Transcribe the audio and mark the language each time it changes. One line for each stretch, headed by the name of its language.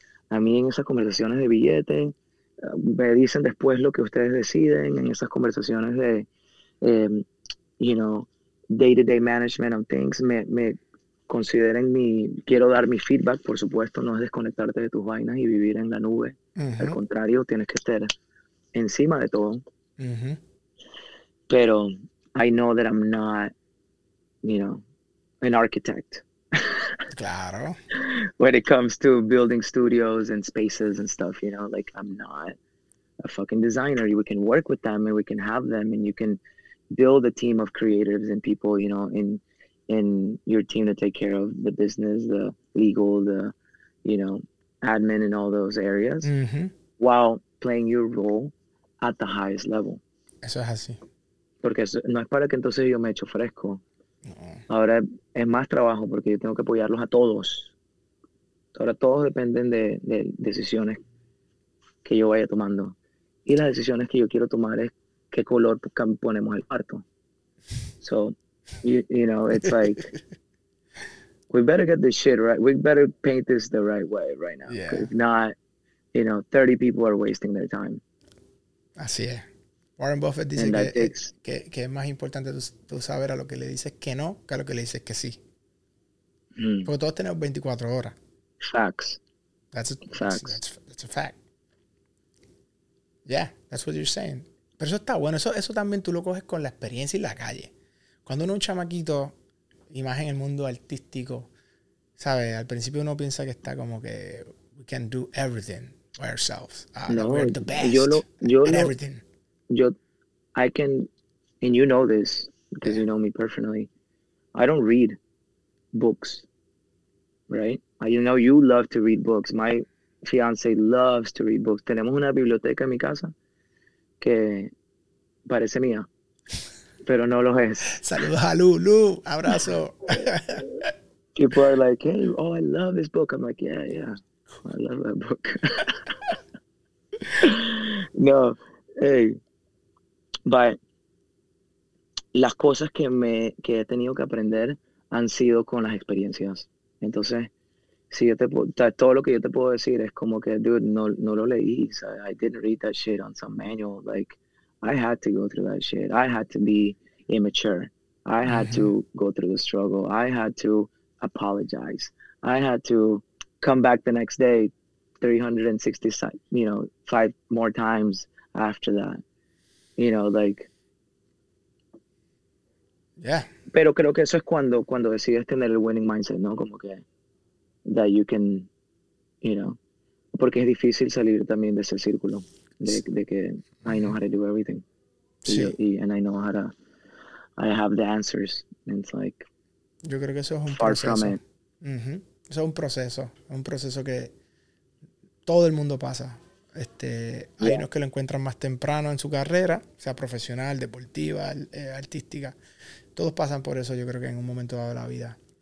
Spanish: A mí en esas conversaciones de billete me dicen después lo que ustedes deciden, en esas conversaciones de,
English: you know, day-to-day management of things,
Spanish: me consideren mi, quiero dar mi feedback, por supuesto, no es desconectarte de tus vainas y vivir en la nube. Uh-huh. Al contrario, tienes que estar encima de todo. Uh-huh. Pero
English: I know that I'm not, you know, an architect. Claro. When it comes to building studios and spaces and stuff, you know, like I'm not a fucking designer. We can work with them and we can have them and you can build a team of creatives and people, you know, in your team to take care of the business, the legal, the, you know, admin and all those areas, mm-hmm. while playing your role at the highest level.
Spanish: Eso es así. Porque eso, no es para que entonces yo me echo fresco. Ahora es más trabajo porque yo tengo que apoyarlos a todos. Ahora todos dependen de decisiones que yo vaya tomando. Y las decisiones que yo quiero tomar es qué color ponemos el cuarto.
English: So, you know, it's like, we better get this shit right. We better paint this the right way right now. If not, you know, 30 people are wasting their time.
Spanish: Así es. Warren Buffett dice
English: And that takes.
Spanish: que es más importante tú saber a lo que le dices que no que a lo que le dices que sí. Porque todos tenemos 24 horas.
English: Facts. Facts. That's a fact. Yeah, that's what you're saying.
Spanish: Pero eso está bueno. Eso también tú lo coges con la experiencia y la calle. Cuando uno es un chamaquito, y más en el mundo artístico, ¿sabes? Al principio uno piensa que está como que
English: we can do everything by ourselves. That we're
Spanish: No,
English: the best at everything. I can, and you know this because you know me personally. I don't read books, right? You know you love to read books. My fiance loves to read books.
Spanish: Tenemos una biblioteca en mi casa que parece mía, pero no lo es. Saludos a Lulu, abrazo.
English: People are like, hey, oh, I love this book. I'm like, yeah, I love that book.
Spanish: No,
English: hey, but
Spanish: las cosas que he tenido que aprender han sido con las experiencias. Entonces, si yo todo lo que yo te puedo decir es como que,
English: dude,
Spanish: no lo leí.
English: So I didn't read that shit on some manual. Like, I had to go through that shit. I had to be immature. I had to go through the struggle. I had to apologize. I had to come back the next day. 360, you know, five more times after that, you know, like.
Spanish: Pero creo que eso es cuando decides tener el winning mindset, ¿no? Como que,
English: that you can, you know,
Spanish: porque es difícil salir también de ese círculo de que
English: I know how to do everything. And I know how to, I have the answers. And it's like,
Spanish: Yo creo que eso es un
English: far from
Spanish: proceso.
English: it.
Spanish: Eso es un proceso. Es un proceso que todo el mundo pasa. Hay unos que lo encuentran más temprano en su carrera, sea profesional, deportiva, artística. Todos pasan por eso, yo creo que en un momento dado de la vida.